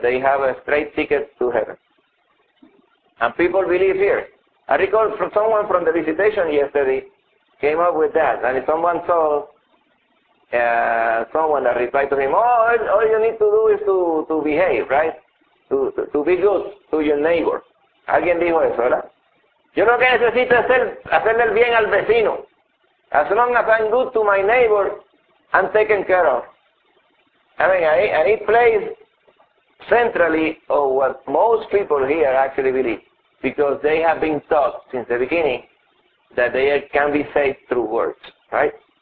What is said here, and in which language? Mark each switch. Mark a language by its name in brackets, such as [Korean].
[English] They have a straight ticket to heaven. And people believe here. I recall from someone from the visitation yesterday came up with that, and if someone saw someone that replied to him, oh, all you need to do is to behave, right? To be good to your neighbor. [Spanish] Alguien dijo eso, ¿verdad? Yo lo que necesito es hacerle el bien al vecino. [English] As long as I'm good to my neighbor, I'm taken care of. I mean, and it plays centrally of what most people here actually believe, because they have been taught since the beginning that they can be saved through words, right?